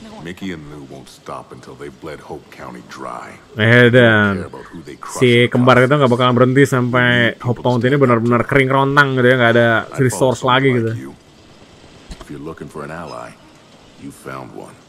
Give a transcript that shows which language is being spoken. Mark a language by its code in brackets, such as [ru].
[en] Mickey and Lou won't stop until they bled Hope County dry. [id] Dan si kembar itu nggak bakalan berhenti sampai Hope County ini benar-benar kering rontang gitu ya, nggak ada resource lagi gitu. [en] If you're looking for an ally, you found one.